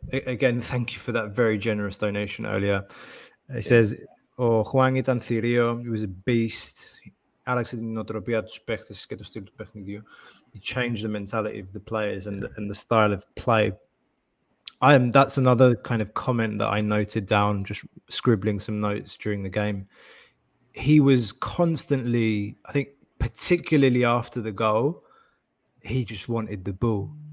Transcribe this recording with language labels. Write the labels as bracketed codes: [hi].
[en] Again, thank you for that very generous donation earlier. He says, "Oh, Juan [el] ήταν θηρίο. [en] He was a beast. [el] Άλλαξε την νοοτροπία τους παίχτες και το στυλ του παιχνιδιού." [en] You change the mentality of the players and the style of play. That's another kind of comment that I noted down, just scribbling some notes during the game. He was constantly, I think particularly after the goal, he just wanted the ball.